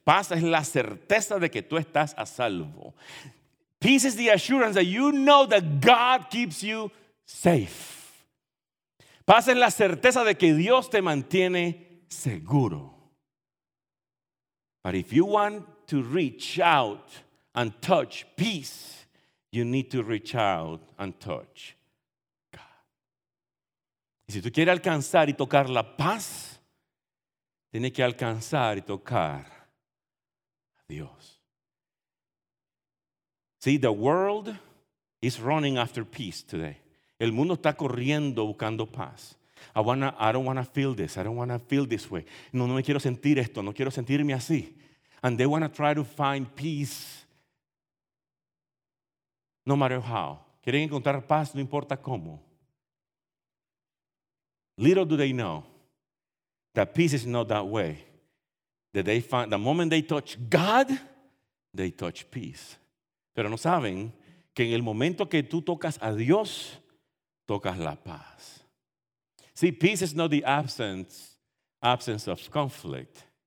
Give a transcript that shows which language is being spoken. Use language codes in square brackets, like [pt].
[es] Paz es la certeza de que tú estás a salvo. [en] Peace is the assurance that you know that God keeps you safe. [es] Paz es la certeza de que Dios te mantiene seguro. [en] But if you want to reach out and touch peace, you need to reach out and touch God. [es] Y si tú quieres alcanzar y tocar la paz, tienes que alcanzar y tocar a Dios. [en] See, the world is running after peace today. [es] El mundo está corriendo buscando paz. [en] I don't want to feel this way. [es] No me quiero sentir esto, no quiero sentirme así. [en] And they want to try to find peace no matter how. [es] Quieren encontrar paz no importa cómo. [en] Little do they know that peace is not that way. That they find, the moment they touch God, they touch peace. [es] Pero no saben que en el momento que tú tocas a Dios, tocas la paz. [en] See, peace is not the absence of conflict.